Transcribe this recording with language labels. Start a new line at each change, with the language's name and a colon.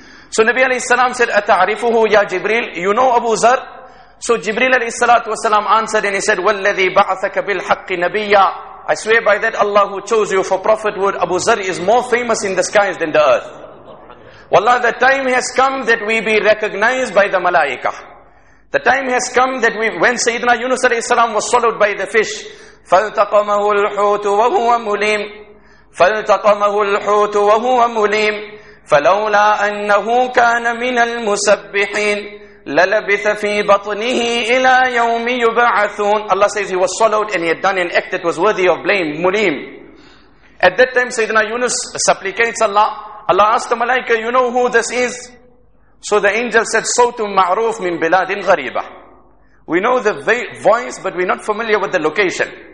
English: So Nabi alayhi salam said,
Arabic: Ata'arifuhu ya Jibreel?
English: You know Abu Zar? So Jibreel alayhi salatu wasalam answered and he said,
Arabic: Walladhi ba'athaka bilhaqqi nabiyya.
English: I swear by that Allah who chose you for prophethood, Abu Zar is more famous in the skies than the earth. Wallah, the time has come that we be recognized by the malaika. The time has come that when Sayyidina Yunus alayhi salam was swallowed by the fish,
Arabic: فَالْتَقَمَهُ الْحُوتُ وَهُوَ مُلِيمٌ فَالْتَقَمَهُ الْحُوتُ وَهُوَ مُلِيمٌ فَلَوْلَا أَنَّهُ كَانَ مِنَ الْمُسَبِّحِينَ لَلَبِثَ فِي بَطْنِهِ إِلَى يَوْمِ يُبَعَثُونَ.
English: Allah says he was swallowed and he had done an act that was worthy of blame, mulim. At that time, Sayyidina Yunus supplicates Allah. Allah asked the malaika, you know who this is? So the angel said,
Arabic: Sawtun ma'roof min biladin ghariba.
English: We know the voice, but we're not familiar with the location.